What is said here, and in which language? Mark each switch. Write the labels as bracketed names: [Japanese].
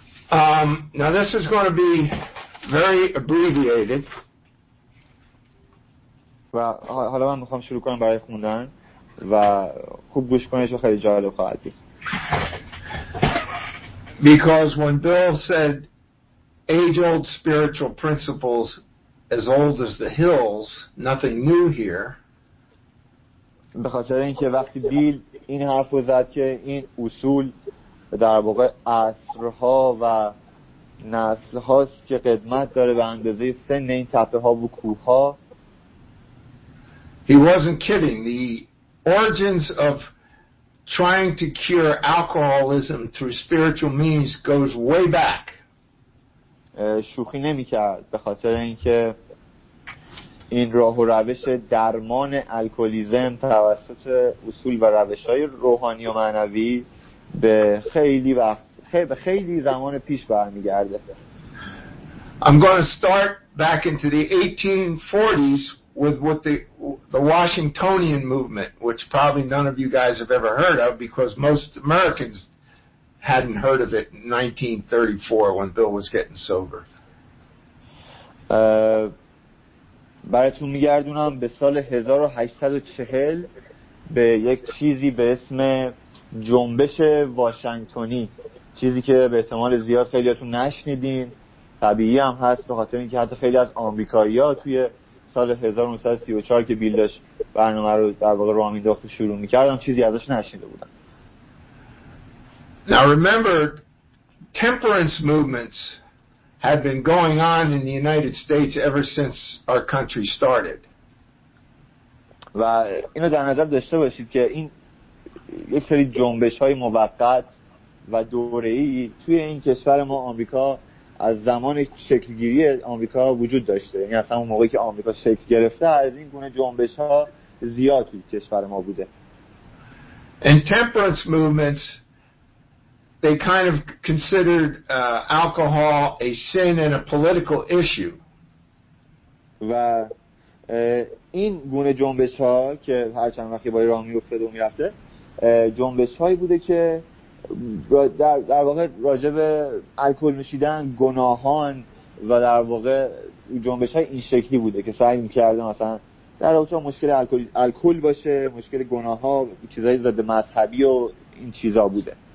[English] Now this is going to be very abbreviated. [Persian] و حالا من میخوام شروع کنم برای خوندن و خوب گوش کنید چون خیلی جالب خواهد بود. [English] Because when Bill said age-old spiritual principles as old as the hills, nothing new here. [Persian] به خاطر اینکه وقتی بیل این حرف رو زد که این اصول در واقع عصرها و نسلهاست که قدمت داره به اندازه سن این تپه ها و کوه ها، [English] He wasn't kidding. The origins of trying to cure alcoholism through spiritual means goes way back. [Persian] شوخی نمی کرد به خاطر اینکه این راه و روش درمان الکلیزم توسط اصول و روش های روحانی و معنوی به خیلی وقت خیلی زمان پیش برمیگرده. [English] I'm going to start back into the 1840s with what the Washingtonian movement, which probably none of you guys have ever heard of because most Americans hadn't heard of it in 1934 when Bill was getting sober. [Persian] براتون میگردونم به سال 1840 به یک چیزی به اسم جنبش واشنگتنی، چیزی که به احتمال زیاد خیلیاتون نشنیدین، طبیعی هم هست به خاطر اینکه حتی خیلی از آمریکایی‌ها توی سال 1934 که بیل داشت برنامه رو در واقع راه می‌انداخت شروع می‌کردن چیزی ازش نشنیده بودن. [English] Now remember, temperance movements had been going on in the United States ever since our country started. [Persian] و اینو در نظر داشته باشید که این یک سری جنبش‌های موقت و دوره‌ای توی این کشور ما آمریکا از زمان شکل‌گیری آمریکا وجود داشته، یعنی از همون موقعی که آمریکا شکل گرفته از این گونه جنبش‌ها زیادی کشور ما بوده. [English] And temperance movements, they kind of considered alcohol a sin and a political issue. [Persian] و این گونه جنبش‌ها که هر چند وقتی با ایران می‌افته و می‌رفته جنبش‌هایی بوده که در واقع راجع به الکل نوشیدن گناهان و در واقع جنبش های این شکلی بوده که سعی میکرده مثلا در واقع مشکل الکل باشه، مشکل گناه ها، چیزهای ضد مذهبی و این چیزا بوده.